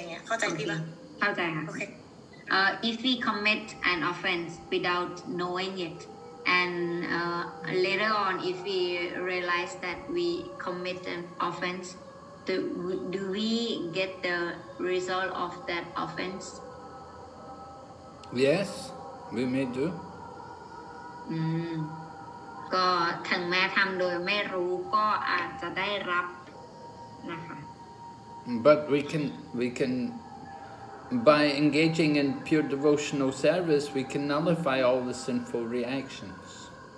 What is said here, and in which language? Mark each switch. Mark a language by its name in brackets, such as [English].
[Thai] เหมือนกับว่าถ้าเกิดว่าเราทําอาบัติที่เราไม่รู้อะไรอย่างเงี้ยใช่มั้ยแต่ตอนหลังเรามารู้แล้วเราปฏิบัติรีไลซ์ตระหนักได้อะไรอย่างเงี้ยแบบเหมือนแบบคิดแทรกว่าเราผิดไปแล้วอะไรอย่างเงี้ยเหมือนสํานึกผิดอ่ะแล้วบาปนั้นมันจะหายมั้ยอะไรอย่างเงี้ยเข้าใจพี่ป่ะเข้าใจค่ะโอเค [English] if we commit an offense without knowing it and later on if we realize that we commit an offense, do we get the result of that offense? Yes, we may do. [Thai] ก็ถึงแม้ทำโดยไม่รู้ก็อาจจะได้รับนะคะ [English] But we can by engaging in pure devotional service, we can nullify all the sinful reactions.